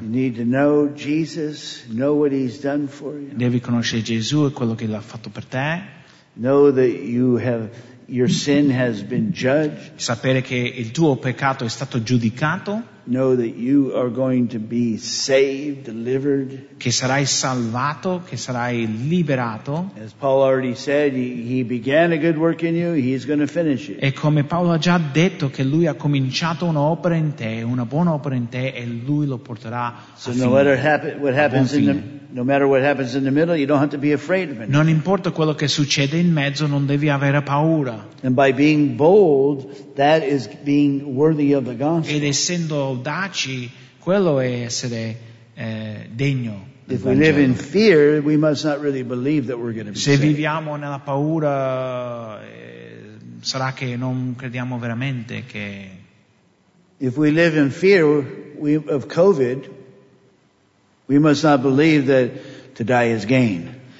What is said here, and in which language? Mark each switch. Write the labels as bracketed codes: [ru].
[en] You need to know Jesus, know what he's done for you. [it] Devi conoscere Gesù e quello che l'ha fatto per te. [en] Know that your sin has been judged. [it] Sapere che il tuo peccato è stato giudicato. [en] know that you are going to be saved, delivered. [it] Che sarai salvato, che sarai liberato. [en] As Paul already said, he began a good work in you, he's going to finish it. [it] E come Paolo ha già detto che lui ha cominciato un'opera in te, una buona opera in te, e lui lo porterà so a fine. [en] No matter what happens in the middle, you don't have to be afraid of it. [it] Non importa quello che succede in mezzo, non devi avere paura. [en] And by being bold, that is being worthy of the gospel. [it] Ed essendo audaci, quello è essere degno. [en] If we live in fear, we must not really believe that we're going to be [it] saved. Se viviamo nella paura, sarà che non crediamo veramente che. [en] If we live in fear of COVID, we must not believe that to die is gain.